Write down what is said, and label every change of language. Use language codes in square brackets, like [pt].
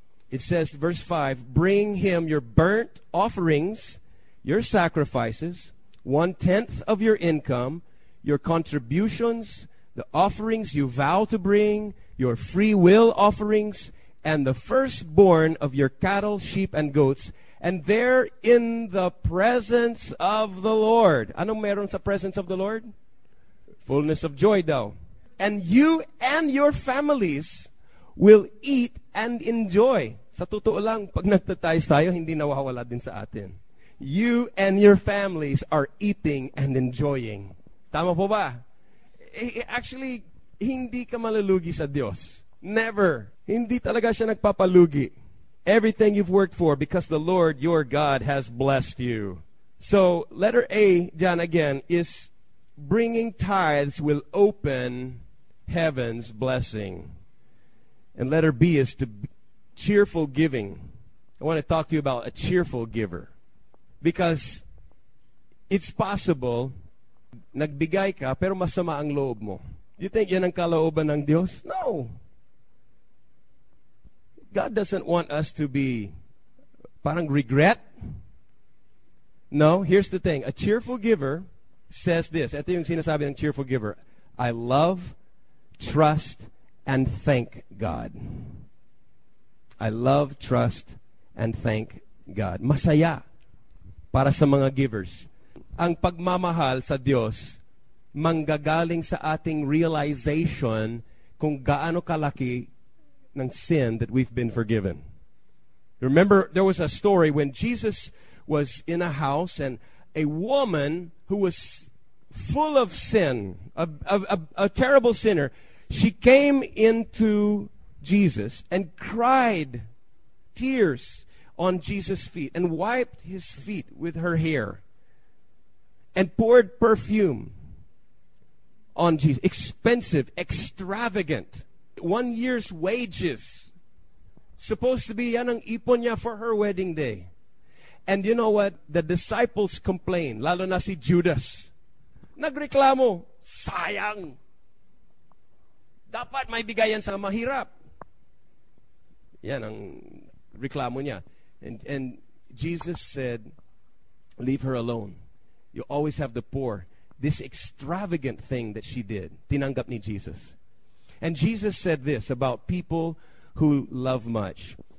[en] It says, verse 5, bring him your burnt offerings, your sacrifices, one-tenth of your income, your contributions, the offerings you vow to bring, your free will offerings, and the firstborn of your cattle, sheep, and goats, and they're in the presence of the Lord. [tl] Ano meron sa [en] presence of the Lord? Fullness of joy daw. And you and your families will eat and enjoy. [tl] Sa totoo lang, pag nagtatayos tayo, hindi nawawala din sa atin. [en] You and your families are eating and enjoying. [tl] Tama po ba? Actually, hindi ka malulugi sa Diyos. Never. Hindi talaga siya nagpapalugi. [en] Everything you've worked for because the Lord your God has blessed you. So, letter A, John again, is bringing tithes will open heaven's blessing. And letter B is to cheerful giving. I want to talk to you about a cheerful giver. Because it's possible, [tl] nagbigay ka, pero masama ang loob mo. [en] You think [tl] yan ang kalooban ng Diyos? No. [en] God doesn't want us to be parang regret. No, here's the thing. A cheerful giver says this. [tl] Ito yung sinasabi ng [en] cheerful giver. I love, trust, and thank God. I love, trust, and thank God. [tl] Masaya para sa mga givers. Ang pagmamahal sa Diyos manggagaling sa ating realization kung gaano kalaki ng [en] sin that we've been forgiven. Remember, there was a story when Jesus was in a house and a woman who was full of sin, a terrible sinner, she came into Jesus and cried tears on Jesus' feet and wiped his feet with her hair and poured perfume on Jesus. Expensive, extravagant. one year's wages. Supposed to be [tl] yan ang ipon niya [en] for her wedding day. And you know what? The disciples complained, [tl] lalo na si Judas. Nagreklamo, sayang. Dapat may bigayan sa mahirap. Yan ang reklamo niya. [en] And Jesus said, leave her alone. You always have the poor. This extravagant thing that she did, [tl] tinanggap ni Jesus. [en] And Jesus said this about people who love much.